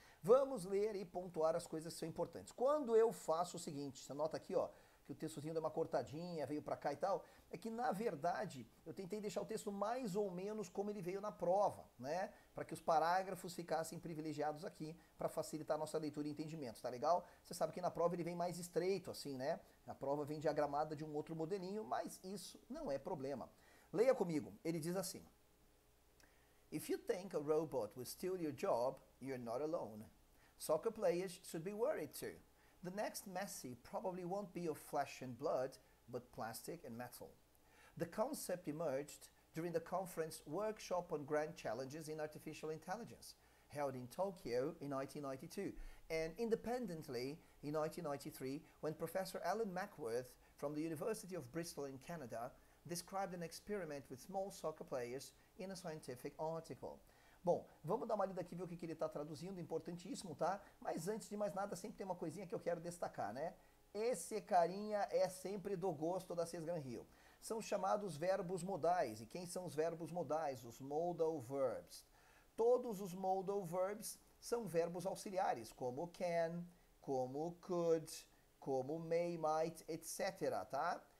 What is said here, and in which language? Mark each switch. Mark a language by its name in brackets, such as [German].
[Portuguese] Vamos ler e pontuar as coisas que são importantes. Quando eu faço o seguinte, você nota aqui, ó, que o textozinho deu uma cortadinha, veio para cá e tal, é que na verdade eu tentei deixar o texto mais ou menos como ele veio na prova, né? Para que os parágrafos ficassem privilegiados aqui, para facilitar a nossa leitura e entendimento, tá legal? Você sabe que na prova ele vem mais estreito, assim, né? A prova vem diagramada de um outro modelinho, mas isso não é problema. Leia comigo, ele diz assim: [English] If you think a robot will steal your job, you're not alone. Soccer players should be worried too. The next Messi probably won't be of flesh and blood, but plastic and metal. The concept emerged during the conference Workshop on Grand Challenges in Artificial Intelligence, held in Tokyo in 1992, and independently in 1993, when Professor Alan Mackworth from the University of Bristol in Canada described an experiment with small soccer players in a scientific article. [Portuguese] Bom, vamos dar uma lida aqui e ver o que ele está traduzindo, importantíssimo, tá? Mas antes de mais nada, sempre tem uma coisinha que eu quero destacar, né? Esse carinha é sempre do gosto da Ses Gran Hiu. São chamados verbos modais. E quem são os verbos modais? Os modal verbs. Todos os modal verbs são verbos auxiliares, como can, como could, como may, might, etc., tá?